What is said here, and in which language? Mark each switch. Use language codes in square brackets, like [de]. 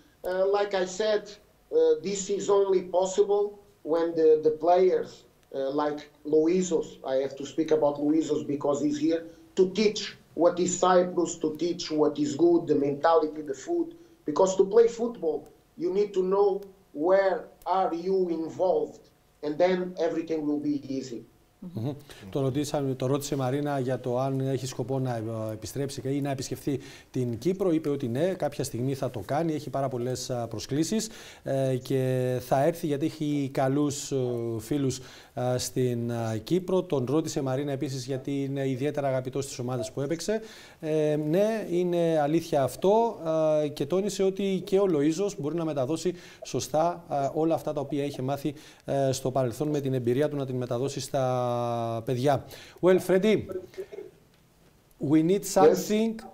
[en] Like I said, this is only possible when the players like Luizos, I have to speak about Luizos because he's here, to teach what is Cyprus, to teach what is good, the mentality, the food. Because to play football, you need to know where are you involved, and then everything will be easy. [el] Το ρώτησε η Μαρίνα για το αν έχει σκοπό να επιστρέψει ή να επισκεφθεί την Κύπρο. Είπε ότι ναι, κάποια στιγμή θα το κάνει. Έχει πάρα πολλές προσκλήσεις και θα έρθει γιατί έχει καλούς φίλους στην Κύπρο. Τον ρώτησε η Μαρίνα επίσης γιατί είναι ιδιαίτερα αγαπητός στις ομάδες που έπαιξε. Ναι, είναι αλήθεια αυτό και τόνισε ότι και ο Λοΐζος μπορεί να μεταδώσει σωστά όλα αυτά τα οποία είχε μάθει στο παρελθόν με την εμπειρία του να την μεταδώσει στα παιδιά. [en] Well, Freddy, we need something. Yes.